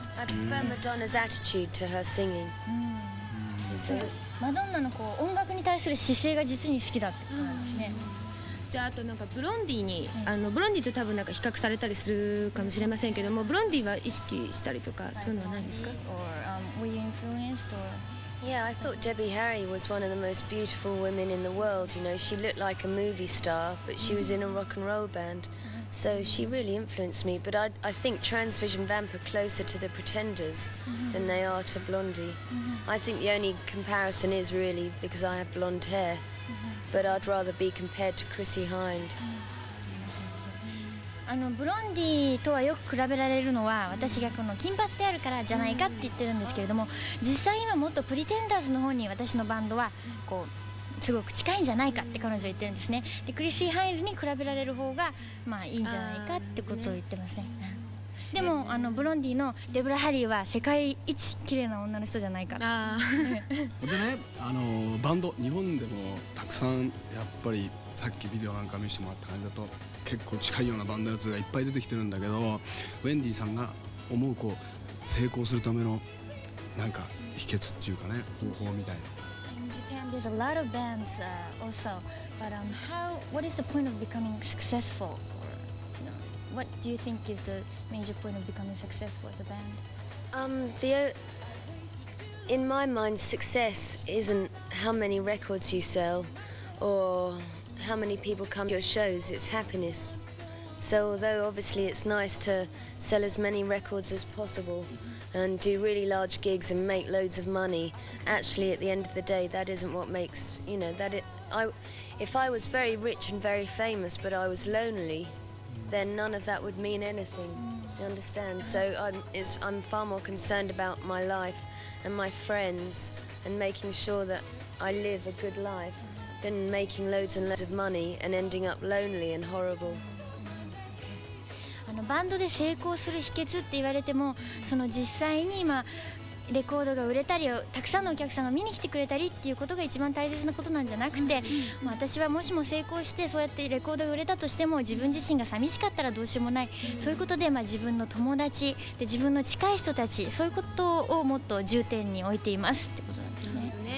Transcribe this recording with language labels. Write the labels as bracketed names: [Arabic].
[English] I prefer Madonna's attitude to her singing. [Japanese] マドンナのこう音楽に対する姿勢が実に好きだってことなんですね。じゃああとなんかブロンディに、あのブロンディと多分なんか比較されたりするかもしれませんけども、ブロンディは意識したりとかそういうのはないんですか？ [English] Were you influenced or... Yeah, I thought Debbie Harry was one of the most beautiful women in the world. You know, she looked like a movie star, but she was in a rock and roll band. So she really influenced me. But I think Transvision Vamp are closer to the Pretenders than they are to Blondie. I think the only comparison is really because I have blonde hair. But I'd rather be compared to Chrissie Hynde. [Japanese] あのブロンディとはよく比べられるのは、私がこの金髪であるからじゃないかって言ってるんですけれども、実際にはもっとプリテンダーズの方に私のバンドはこうすごく近いんじゃないかって彼女は言ってるんですね。でクリス・ハインズに比べられる方がまあいいんじゃないかってことを言ってますね。でもあのブロンディのデブラ・ハリーは世界一綺麗な女の人じゃないかな。あでね、バンド日本でもたくさんやっぱりさっきビデオなんか見せてもらった感じだと結構近いようなバンドのやつがいっぱい出てきてるんだけど、ウェンディさんが思うこう成功するためのなんか秘訣っていうかね、方法みたいな。 [English] In Japan there's a lot of bands also, but what is the point of becoming successful? What do you think is the major point of becoming successful as a band? In my mind, success isn't how many records you sell or how many people come to your shows, it's happiness. So although obviously it's nice to sell as many records as possible and do really large gigs and make loads of money, actually at the end of the day, that isn't what makes, you know, that it, I, if I was very rich and very famous but I was lonely,then none of that would mean anything, you understand? So I'm far more concerned about my life and my friends and making sure that I live a good life than making loads and loads of money and ending up lonely and horrible. [Japanese] あのバンドで成功する秘訣って言われても、その実際に今レコードが売れたり、たくさんのお客さんが見に来てくれたりっていうことが一番大切なことなんじゃなくて、まあ、私はもしも成功してそうやってレコードが売れたとしても自分自身が寂しかったらどうしようもない、そういうことで、まあ、自分の友達で自分の近い人たち、そういうことをもっと重点に置いていますってことなんですね。